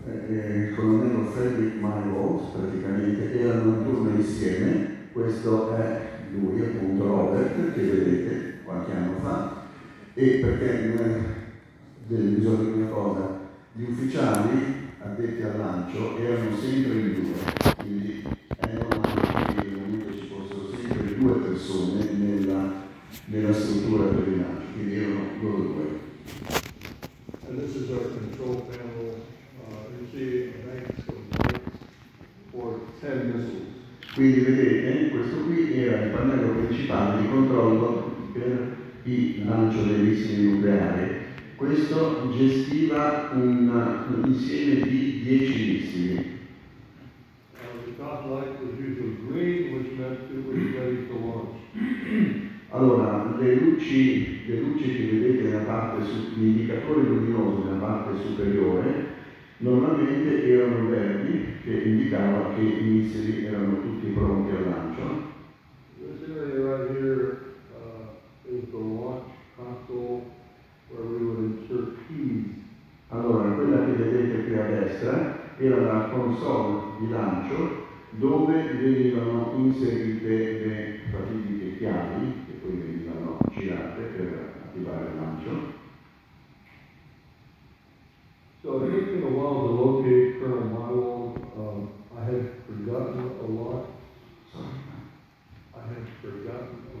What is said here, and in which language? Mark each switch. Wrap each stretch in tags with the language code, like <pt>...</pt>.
<it>il colonnello Frederick Mywald, praticamente, erano in turno insieme, questo è lui, appunto, Robert, che vedete qualche anno fa, e perché bisogna dire una cosa, gli ufficiali addetti al lancio erano sempre in due, quindi è normale che nel momento ci fossero sempre due persone nella struttura per il lancio, quindi erano loro due.</it> <en>And this is our control panel. You see a bank of bullets for 10 missiles.</en> <it>Quindi vedete, questo qui era il pannello principale di controllo per il lancio dei missili nucleari. Questo gestiva un insieme di 10 missili.</it> <en>The top light was usually green, which meant it was ready for launch.</en> <it>Allora, le luci che vedete l'indicatore luminoso nella parte superiore, normalmente erano verdi, che indicava che i missili erano tutti pronti al lancio.</it> <en>This area right here is the launch console where we would insert keys.</en> <it>Allora, quella che vedete qui a destra era la console di lancio dove venivano inserite le fatidiche chiavi, poi venivano girate per attivare il lancio.</it> <en>So it took me a while to locate Colonel Mywald. I had forgotten a lot. I had forgotten</en>